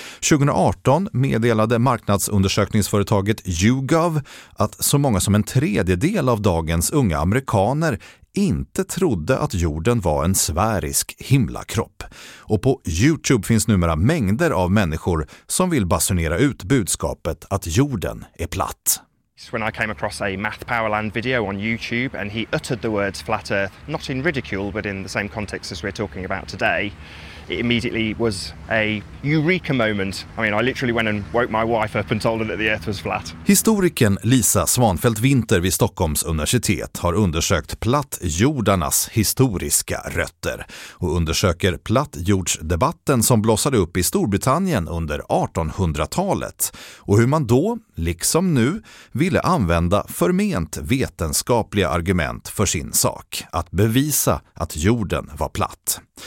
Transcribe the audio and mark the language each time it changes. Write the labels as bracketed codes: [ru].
[sv] 2018 meddelade marknadsundersökningsföretaget YouGov att så många som en tredjedel av dagens unga amerikaner inte trodde att jorden var en sfärisk himlakropp. Och på YouTube finns numera mängder av människor som vill basunera ut budskapet att jorden är platt. [en] When I came across a Math Powerland video on YouTube and he uttered the words flat earth, not in ridicule but in the same context as we're talking about today, it immediately was a eureka moment. I mean, I literally went and woke my wife up and told her that the earth was flat. [sv] Historikern Lisa Svanfeldt Winter vid Stockholms universitet har undersökt plattjordarnas historiska rötter och undersöker plattjordsdebatten som blossade upp i Storbritannien under 1800-talet och hur man då, liksom nu, ville använda förment vetenskapliga argument för sin sak, att bevisa att jorden var platt.